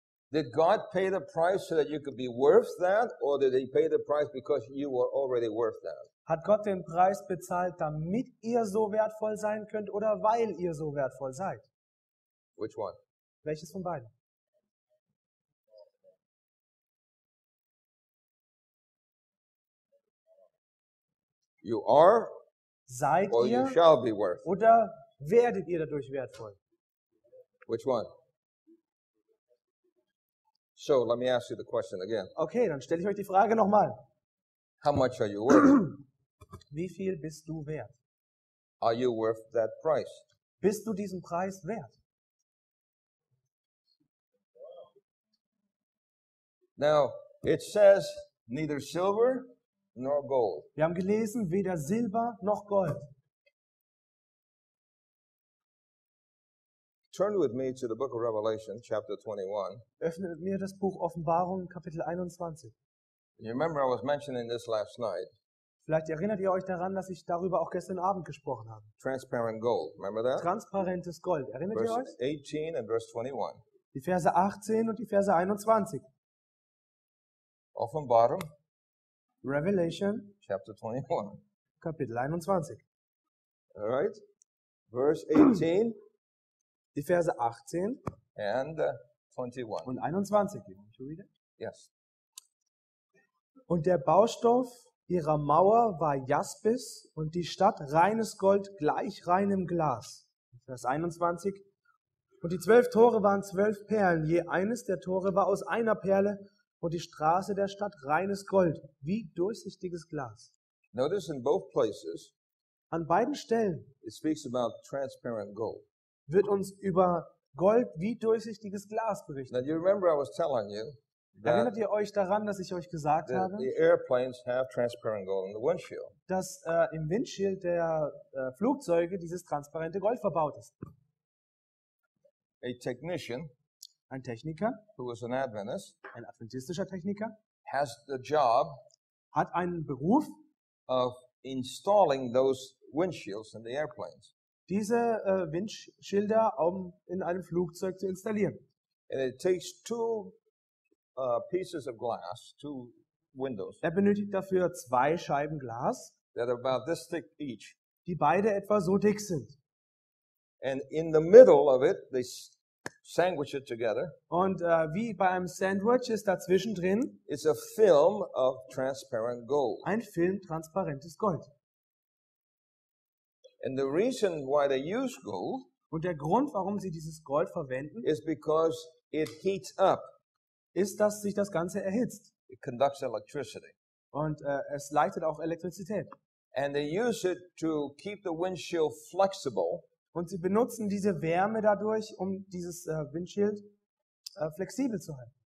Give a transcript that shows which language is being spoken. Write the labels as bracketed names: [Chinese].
[English] Did God pay the price so that you could be worth that, or did he pay the price because you were already worth that? [German] Hat Gott den Preis bezahlt, damit ihr so wertvoll sein könnt oder weil ihr so wertvoll seid? [English] Which one? [German] Welches von beiden? [English] You are, [German] seid [English] or [German] ihr, [English] you shall be worth. [German] Oder werdet ihr dadurch wertvoll? [English] Which one? So, let me ask you the question again. [German] Okay, dann stelle ich euch die Frage nochmal. [English] How much are you worth? [German] Wie viel bist du wert? [English] Are you worth that price? [German] Bist du diesen Preis wert? [English] Now, it says neither silver nor gold. [German] Wir haben gelesen, weder Silber noch Gold. [English] Turn with me to the book of Revelation, chapter 21. [German] Öffnet mit mir das Buch Offenbarung, Kapitel 21. [English] You remember I was mentioning this last night. [German] Vielleicht erinnert ihr euch daran, dass ich darüber auch gestern Abend gesprochen habe. [English] Transparent gold, remember that? [German] Transparentes Gold, erinnert [English] verse [German] ihr euch? [English] 18 and verse 21. [German] Die Verse 18 und die Verse 21. Offenbarung. [English] Revelation. Chapter 21. [German] Kapitel 21. [English] All right. Verse 18. [German] Die Verse 18. [English] And 21. [German] Und 21. [English] You want to read it? Yes. [German] Und der Baustoff ihrer Mauer war Jaspis und die Stadt reines Gold gleich reinem Glas. Vers 21. Und die 12 Tore waren 12 Perlen. Je eines der Tore war aus einer Perle. Und die Straße der Stadt reines Gold, wie durchsichtiges Glas. [English] Notice in both places, [German] an beiden Stellen, [English] it speaks about transparent gold. [German] Wird uns über Gold wie durchsichtiges Glas berichtet. [English] Now, you remember I was telling you [German] that, erinnert ihr euch daran, dass ich euch gesagt habe, [English] the airplanes have transparent gold in the windshield. [German] Dass im Windschild der Flugzeuge dieses transparente Gold verbaut ist. [English] A technician, [German] ein Techniker, [English] who was an Adventist, [German] ein adventistischer Techniker, [English] has the job, [German] hat einen Beruf, [English] of installing those windshields in the airplanes. [German] Diese Windschilder, um in einem Flugzeug zu installieren. [English] And it takes two pieces of glass, two windows. [German] Er benötigt dafür zwei Scheiben Glas, [English] that are about this thick each. [German] Die beide etwa so dick sind. [English] And in the middle of it, they sandwich it together. [German] Und wie bei einem Sandwich ist dazwischen drin [English] is a film of transparent gold. [German] Ein Film transparentes Gold. [English] And the reason why they use gold, [German] und der Grund, warum sie dieses Gold verwenden, [English] is because it heats up. [German] Ist, dass sich das Ganze erhitzt. [English] It conducts electricity. [German] Und es leitet auch Elektrizität. [English] And they use it to keep the windshield flexible. [German] Und sie benutzen diese Wärme dadurch, um dieses Windschild flexibel zu halten.